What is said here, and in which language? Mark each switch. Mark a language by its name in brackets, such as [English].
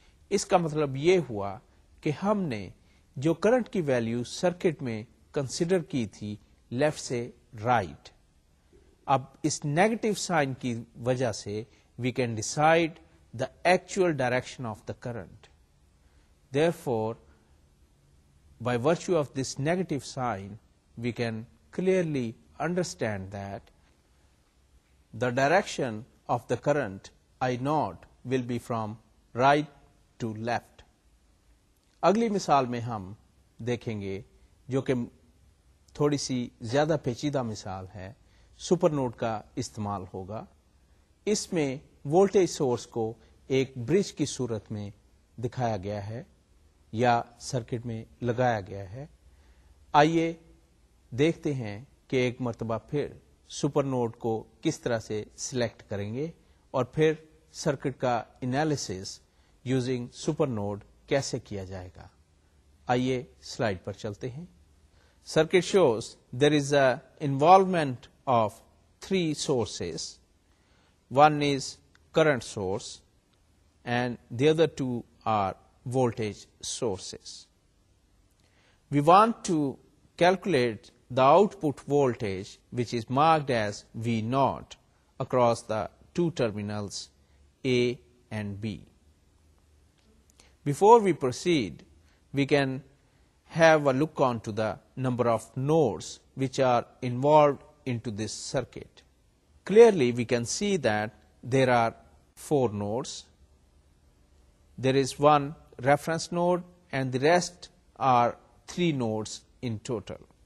[Urdu] اس کا مطلب یہ ہوا کہ ہم نے جو کرنٹ کی ویلیو سرکٹ میں کنسیڈر کی تھی لیفٹ سے رائٹ, اب اس نیگیٹو سائن کی وجہ سے [English] We can decide the actual direction of the current. therefore by virtue of this negative sign we can clearly understand that the direction of the current I naught will be from right to left. [Urdu] اگلی مثال میں ہم دیکھیں گے جو کہ تھوڑی سی زیادہ پیچیدہ مثال ہے, سپر نوڈ کا استعمال ہوگا. اس میں وولٹیج سورس کو ایک برج کی صورت میں دکھایا گیا ہے یا سرکٹ میں لگایا گیا ہے. آئیے دیکھتے ہیں کہ ایک مرتبہ پھر سپر نوڈ کو کس طرح سے سلیکٹ کریں گے اور پھر سرکٹ کا انالیسس یوزنگ سپر نوڈ کیسے کیا جائے گا. آئیے سلائیڈ پر چلتے ہیں. [English] Circuit shows there is a involvement of three sources, one is current source and the other two are voltage sources. We want to calculate the output voltage which is marked as V naught across the two terminals A and B. Before we proceed, we can have a look on to the number of nodes which are involved into this circuit. Clearly, we can see that there are four nodes. There is one reference node and the rest are three nodes in total.